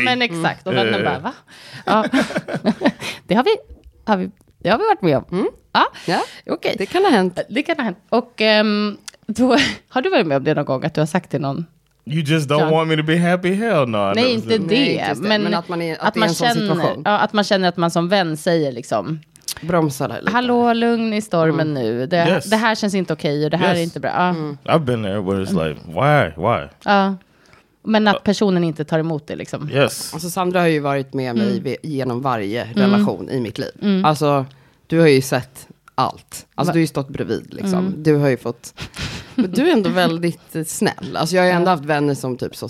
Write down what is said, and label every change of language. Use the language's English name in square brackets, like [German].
[Swedish] Ja, men exakt, och vännen bara, va? Ja. Det har vi... Det har vi varit med om. Okay. Det kan ha hänt. Och då, har du varit med om det någon gång? Att du har sagt till någon? [English] You just don't want me to be happy, hell no. [Swedish] Nej, inte det. Men att man är, att man känner, ja, att man känner att man som vän säger liksom, bromsa lite. Hallå, lugn i stormen nu. Det här känns inte okej och det här är inte bra. [English] I've been there where it's like, why? [Swedish] Ja. Men att personen inte tar emot det liksom. [English] Yes. [Swedish] Alltså Sandra har ju varit med mig genom varje relation i mitt liv. Alltså du har ju sett allt. Alltså du har ju stått bredvid liksom. Du har ju fått... Men du är ändå väldigt snäll. Alltså jag har ju ändå haft vänner som typ så...